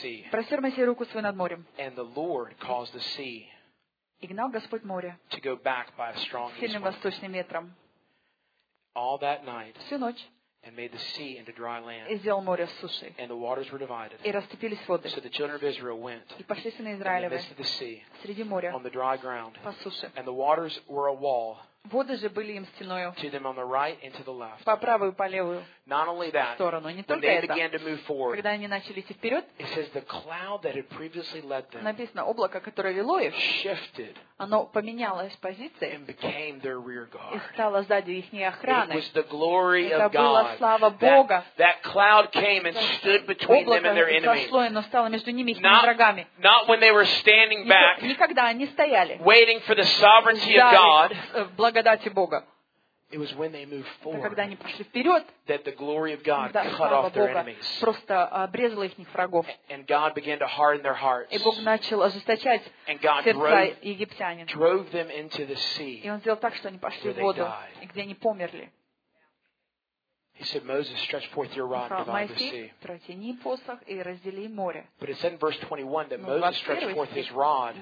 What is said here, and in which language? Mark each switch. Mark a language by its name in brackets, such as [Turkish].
[Russian] Простер Моисей руку свою над морем. [English] And the Lord caused the sea [Russian] и гнал Господь море [English] to go back by a strong [Russian] сильным восточным ветром [English] all that night, [Russian] всю ночь [English] and made the sea into dry land, [Russian] и сделал море суше [English] and the waters were divided, [Russian] и расступились воды. [English] So the children of Israel went [Russian] и пошли сыны Израилевы [English] in the midst of the sea, [Russian] среди моря [English] on the dry ground, [Russian] по суше. [English] And the waters were a wall [Russian] воды же были им стеною [English] to them on the right and to the left. [Russian] По правую и по левую [English] not only that, [Russian] сторону. Не [English] when [Russian] только [English] they [Russian] это. [English] Began to move forward, [Russian] когда они начали идти вперед, [English] it says the cloud that had previously led them, [Russian] написано, облако, которое вело их, [English] shifted, [Russian] оно поменялось позиции [English] and became their rear guard. [Russian] И стало сзади их охраны. [English] It was the glory [Russian] это [English] of God. [Russian] Была слава Бога. [English] That cloud came and stood between them and their enemies. [Russian] Облако зашло, и стало между ними и их врагами. [English] Not when they were standing back, [Russian] не когда они стояли, [English] waiting for the sovereignty of God, [Russian] благодати Бога. [English] It was when they moved forward, [Russian] когда они пошли вперед, [English] that the glory of God cut off their enemies. [Russian] Просто обрезал их врагов. [English] And God began to harden their hearts. [Russian] И Бог начал ожесточать [English] and God [Russian] сердца египтянина. [English] Drove them into the sea, [Russian] и Он сделал так, что они пошли в воду, и где они померли. [English] He said, Moses, stretch forth your rod and divide the sea. [Russian] Протяни посох и раздели море. [English] But it said in verse 21 that Moses stretched forth his rod